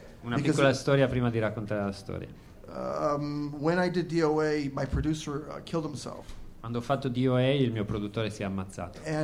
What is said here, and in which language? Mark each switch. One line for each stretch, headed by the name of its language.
Italian: Una piccola storia prima di raccontare la storia.
English: When I did DOA, my producer killed himself.
Italian: Quando ho fatto DOA, il mio produttore si è ammazzato.